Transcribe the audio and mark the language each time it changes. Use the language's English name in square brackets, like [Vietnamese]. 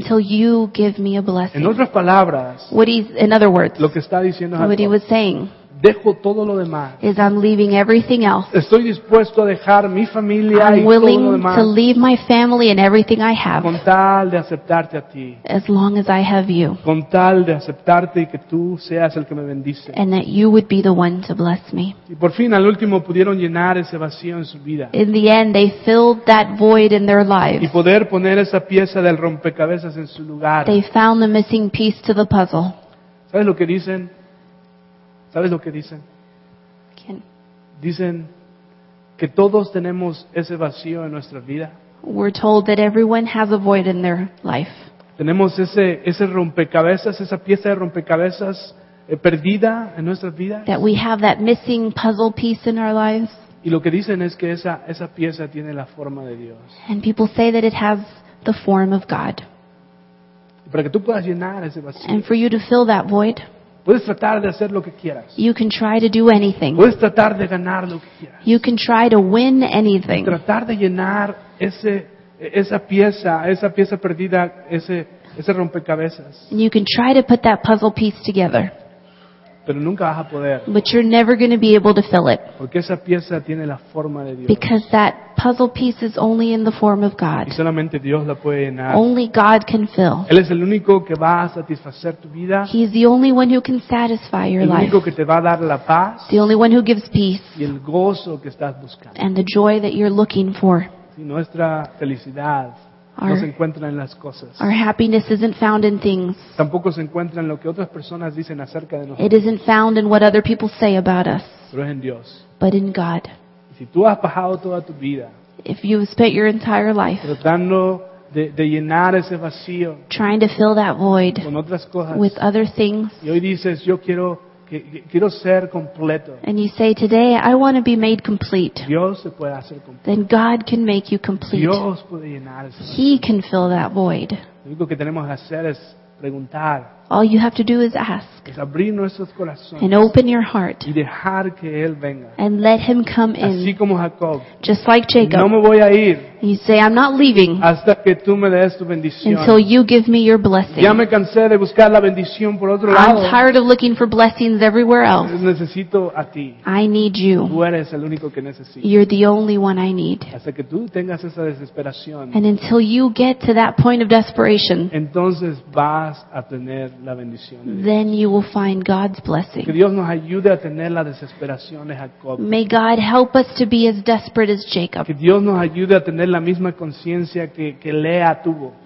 [English] Until you give me a blessing. [Spanish] En otras palabras. [English] In other words. [Spanish] Lo que está diciendo Jacob. [English] What he was saying. [Spanish] Dejo todo lo demás. [English] Is I'm leaving everything else. [Spanish] Estoy dispuesto a dejar mi familia [English] I'm I'm willing to leave my family and everything I have. [Spanish] Con tal de aceptarte a ti. [English] As long as I have you. [Spanish] Con tal de aceptarte y que tú seas el que me bendice. [English] And that you would be the one to bless me. [Spanish] Y por fin al último pudieron llenar ese vacío en su vida. [English] In the end they filled that void in their lives. [Spanish] Y poder poner esa pieza del rompecabezas en su lugar. [English] They found the missing piece to the puzzle. [Spanish] ¿Sabes lo que dicen? ¿Sabes lo que dicen? ¿Quién? Dicen que todos tenemos ese vacío en nuestra vida. [English] We're told that everyone has a void in their life. [Spanish] Tenemos ese rompecabezas, esa pieza de rompecabezas perdida en nuestras vidas. [English] That we have that missing puzzle piece in our lives. [Spanish] Y lo que dicen es que esa pieza tiene la forma de Dios. [English] And people say that it has the form of God. [Spanish] Para que tú puedas llenar ese vacío. [English] And for you to fill that void. [Spanish] Puedes tratar de hacer lo que quieras. [English] You can try to do anything. [Spanish] Puedes tratar de ganar lo que quieras. [English] You can try to win anything. [Spanish] Tratar de llenar esa pieza perdida, ese rompecabezas. [English] You can try to put that puzzle piece together. [Spanish] Pero nunca vas a poder. [English] But you're never going to be able to fill it. [Spanish] Porque esa pieza tiene la forma de Dios. [English] Because that puzzle piece is only in the form of God. [Spanish] Y solamente Dios la puede llenar. [English] Only God can fill. [Spanish] Él es el único que va a satisfacer tu vida. [English] He's the only one who can satisfy your life. [Spanish] El único que te va a dar la paz. [English] The only one who gives peace. [Spanish] Y el gozo que estás buscando. [English] And the joy that you're looking for. [Spanish] Y nuestra felicidad. No se encuentra en las cosas. [English] Our happiness isn't found in things. [Spanish] Tampoco se encuentra en lo que otras personas dicen acerca de nosotros. [English] It isn't found in what other people say about us. [Spanish] Pero es en Dios. [English] But in God. [Spanish] Si tú has pasado toda tu vida. [English] If you've spent your entire life. [Spanish] Tratando de llenar ese vacío. [English] Trying to fill that void. [Spanish] Con otras cosas. [English] With other things. [Spanish] Y hoy dices, yo quiero ser completo. [English] And you say, today I want to be made complete. [Spanish] Dios se puede hacer completo. [English] Then God can make you complete. [Spanish] Dios puede llenar ese [English] He can fill that void. [Spanish] Lo único que tenemos que hacer es preguntar. [English] All you have to do is ask. [Spanish] Es abrir nuestros corazones. [English] And open your heart. [Spanish] Y dejar que Él venga. [English] And let Him come in. [Spanish] Así como Jacob. [English] Just like Jacob. [Spanish] No me voy a ir. [English] You say, I'm not leaving. [Spanish] Hasta que tú me des tu bendición. [English] Until you give me your blessing. [Spanish] Ya me cansé de buscar la bendición por otro [English] I'm [Spanish] lado. [English] I'm tired of looking for blessings everywhere else. [Spanish] Necesito a ti. [English] I need you. [Spanish] Tú eres el único que necesito. [English] You're the only one I need. [Spanish] Hasta que tú tengas esa desesperación. [English] And until you get to that point of desperation. [Spanish] Entonces vas a tener la bendición de Dios. [English] Then you will find God's blessing. [Spanish] Que Dios nos ayude a tener la desesperación de Jacob. [English] May God help us to be as desperate as Jacob. [Spanish] Que Dios nos ayude a tener la misma conciencia que Lea tuvo.